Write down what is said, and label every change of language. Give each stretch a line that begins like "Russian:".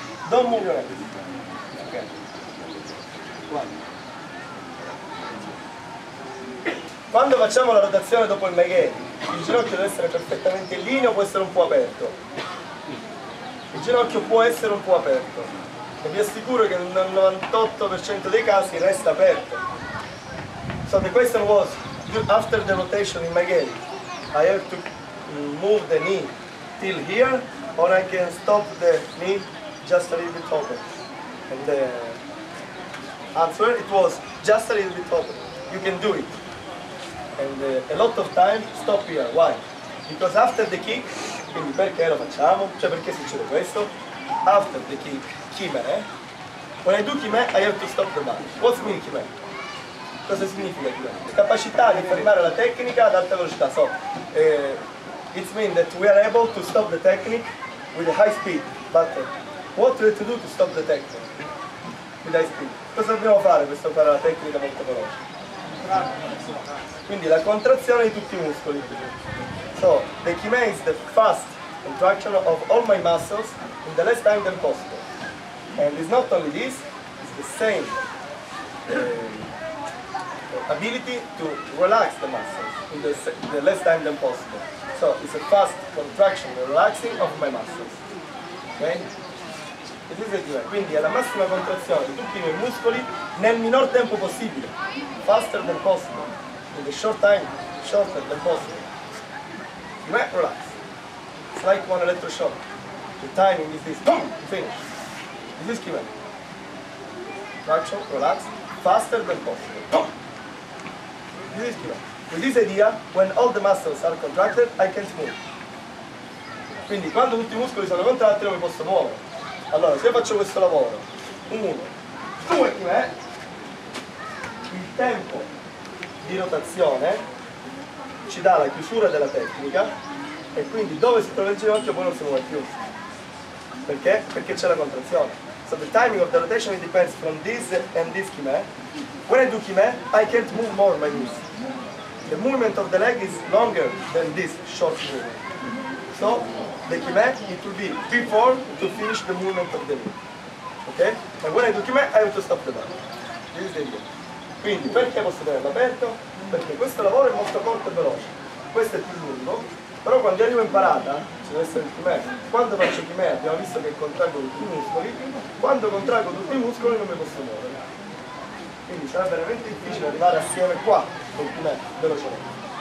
English: Don't move your legs.
Italian: Quando facciamo la rotazione dopo il Meghe, il ginocchio deve essere perfettamente in linea o può essere un po' aperto? Il ginocchio può essere un po' aperto e vi assicuro che nel 98% dei casi resta aperto.
English: So the question was, after the rotation in Meghe, I have to move the knee till here or I can stop the knee just a little bit open? And the answer, it was just a little bit open. You can do it. And a lot of time stop here. Why? Because after the kick,
Italian: quindi perché lo facciamo? Cioè perché succede questo?
English: After the kick, kime. When I do kime, I have to stop the body. What's mean kime?
Italian: Cosa significa kime? La capacità di fermare la tecnica ad alta velocità.
English: So, it means that we are able to stop the technique with a high speed. But what do we have to do to stop the technique with high speed?
Italian: Cosa dobbiamo fare per stoppare la tecnica molto veloce? Quindi la contrazione di tutti i muscoli.
English: So, the kime is the fast contraction of all my muscles in the less time than possible. And it's not only this, it's the same ability to relax the muscles in the less time than possible. So, it's a fast contraction, the relaxing of my muscles. Okay?
Italian: Quindi è la massima contrazione di tutti i miei muscoli nel minor tempo possibile,
English: faster than possible, in the short time, shorter than possible. You might relax. It's like one electroshock. The timing is this, boom, finish. This is kime. Contraction, relax, faster than possible, boom. This is kime. With this idea, when all the muscles are contracted, I can't move.
Italian: Quindi quando tutti i muscoli sono contratti, non mi posso muovere. Allora, se io faccio questo lavoro, uno, due, tre, il tempo di rotazione ci dà la chiusura della tecnica e quindi dove si trova il ginocchio poi non si muove più. Perché? Perché c'è la contrazione.
English: So the timing of the rotation depends from this and this kime. When I do kime, I can't move more my knees. The movement of the leg is longer than this short movement. So, the kime, it will be before to finish the movement of the knee. Okay? And when I do kime, I have to stop the body. This is the idea.
Italian: Quindi, perché posso tenerlo aperto? Perché questo lavoro è molto corto e veloce. Questo è più lungo. Però quando arrivo in parata, ci deve essere il kime. Quando faccio kime, abbiamo visto che contraggo tutti i muscoli. Quando contraggo tutti i muscoli, non mi posso muovere. Quindi sarà veramente difficile arrivare assieme qua, con kime, velocemente.